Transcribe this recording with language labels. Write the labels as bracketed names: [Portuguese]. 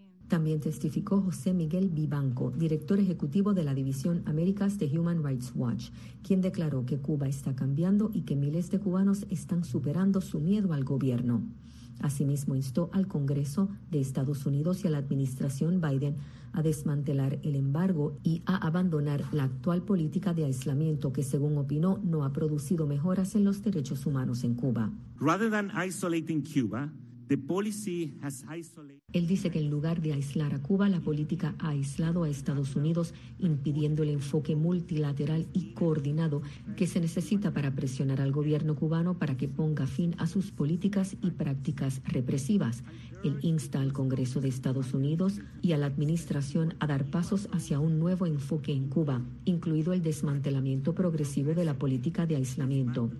[Spanish] También testificó José Miguel Vivanco, director ejecutivo de la División Américas de Human Rights Watch, quien declaró que Cuba está cambiando y que miles de cubanos están superando su miedo al gobierno. Asimismo, instó al Congreso de Estados Unidos y a la administración Biden a desmantelar el embargo y a abandonar la actual política de aislamiento que, según opinó, no ha producido mejoras en los derechos humanos en Cuba. [English] Rather than isolating Cuba, the policy has isolated... [Spanish] Él dice que en lugar de aislar a Cuba, la política ha aislado a Estados Unidos, impidiendo el enfoque multilateral y coordinado que se necesita para presionar al gobierno cubano para que ponga fin a sus políticas y prácticas represivas. Él insta al Congreso de Estados Unidos y a la administración a dar pasos hacia un nuevo enfoque en Cuba, incluido el desmantelamiento progresivo de la política de aislamiento.